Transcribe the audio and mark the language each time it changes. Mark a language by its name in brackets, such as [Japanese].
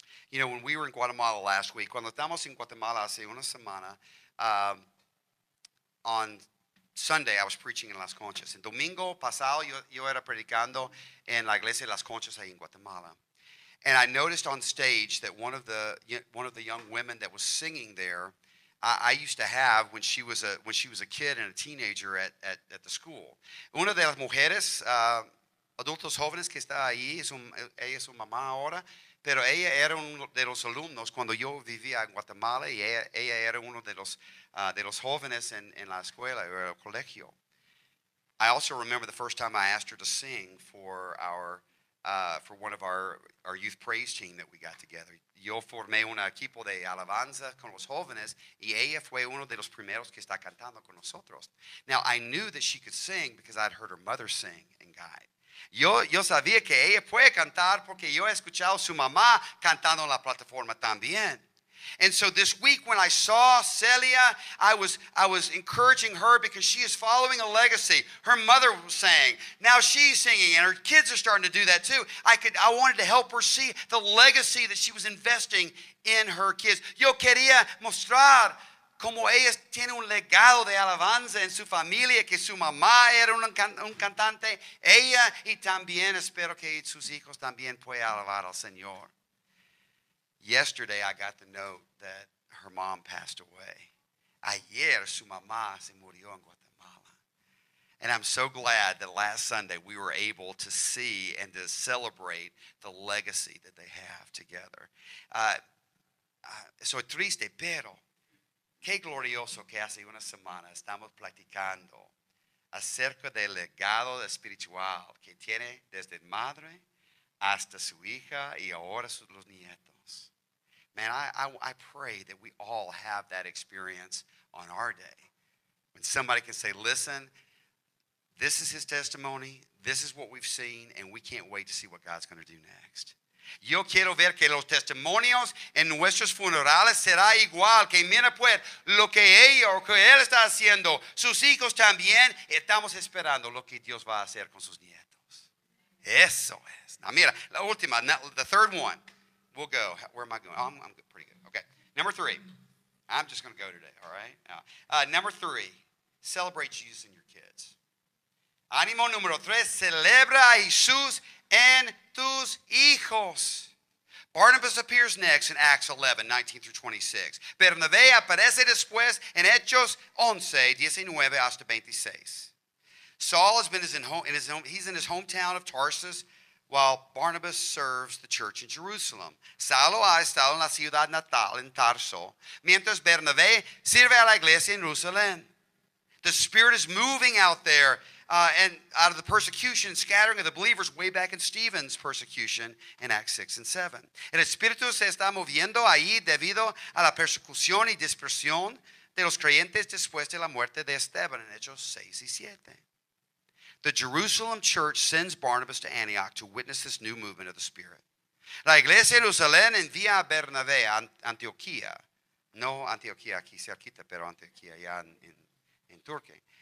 [English] You know, when we were in Guatemala last week, [Spanish] cuando estamos en Guatemala hace una semana, [English] on Sunday I was preaching in Las Conchas. [Spanish] El domingo pasado yo era predicando en la iglesia de Las Conchas ahí en Guatemala. [English] And I noticed on stage that one of the young women that was singing there, I used to have when she was a kid and a teenager at the school. [Spanish] Una de las mujeres, adultos jóvenes que está ahí, ella es su mamá ahora. Pero ella era uno de los alumnos cuando yo vivía en Guatemala y ella era uno de los jóvenes en la escuela o el colegio. [English] I also remember the first time I asked her to sing for one of our youth praise team that we got together. [Spanish] Yo formé un equipo de alabanza con los jóvenes y ella fue uno de los primeros que está cantando con nosotros. [English] Now, I knew that she could sing because I'd heard her mother sing and guide. [Spanish] Yo sabía que ella puede cantar porque yo he escuchado a su mamá cantando en la plataforma también. [English] And so this week when I saw Celia, I was encouraging her because she is following a legacy. Her mother sang. Now she's singing, and her kids are starting to do that too. I wanted to help her see the legacy that she was investing in her kids. [Spanish] Yo quería mostrar cómo ella tiene un legado de alabanza en su familia, que su mamá era un cantante. Ella, y también espero que sus hijos también puedan alabar al Señor. [English] Yesterday, I got the note that her mom passed away. [Spanish] Ayer, su mamá se murió en Guatemala. [English] And I'm so glad that last Sunday we were able to see and to celebrate the legacy that they have together. [Spanish] Soy triste, pero qué glorioso que hace una semana estamos platicando acerca del legado espiritual que tiene desde madre hasta su hija y ahora los nietos. [English] Man, I pray that we all have that experience on our day. When somebody can say, listen, this is his testimony, this is what we've seen, and we can't wait to see what God's going to do next. [Spanish] Yo quiero ver que los testimonios en nuestros funerales será igual, que mira pues lo que ella o que él está haciendo, sus hijos también, estamos esperando lo que Dios va a hacer con sus nietos. Eso es. [English] Now [Spanish] mira, la última, [English] the third one. We'll go. Where am I going? Oh, I'm good, pretty good. Okay. Number three. I'm just going to go today, all right? Number three, celebrate Jesus in your kids. [Spanish] Ánimo número tres, celebra a Jesús en tus hijos. [English] Barnabas appears next in Acts 11, 19 through 26. [Spanish] Bernabé aparece después en Hechos 11, 19 hasta 26. [English] Saul has been he's in his hometown of Tarsus, while Barnabas serves the church in Jerusalem. [Spanish] Saulo ha estado en la ciudad natal, en Tarso, mientras Bernabé sirve a la iglesia en Jerusalén. [English] The Spirit is moving out there and out of the persecution and scattering of the believers way back in Stephen's persecution in Acts 6 and 7. [Spanish] El Espíritu se está moviendo ahí debido a la persecución y dispersión de los creyentes después de la muerte de Esteban en Hechos 6 y 7. [English] The Jerusalem church sends Barnabas to Antioch to witness this new movement of the Spirit. [Spanish] La iglesia de Jerusalén envía a Bernabé a Antioquía. No Antioquía, aquí cerquita, pero Antioquía, ya en Turquía.